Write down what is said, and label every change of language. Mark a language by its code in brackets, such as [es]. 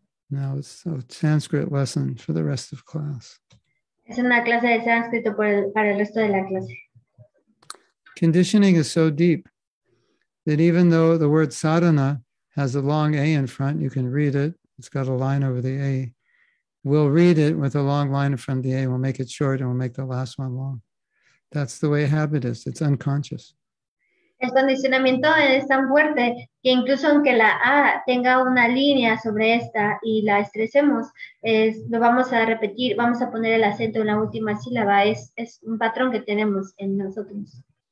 [en] Now it's a Sanskrit lesson for the rest of class. [es] Es una clase de sánscrito para el resto de la clase. [en] Conditioning is so deep that even though the word sadhana has a long A in front, you can read it, it's got a line over the A, we'll read it with a long line in front of the A, we'll make it short and we'll make the last one long. That's the way habit is, it's unconscious. [es] El condicionamiento es tan fuerte que incluso aunque la A tenga una línea sobre esta y la estresemos, lo vamos a repetir, vamos a poner el acento en la última sílaba, es un patrón que tenemos en nosotros.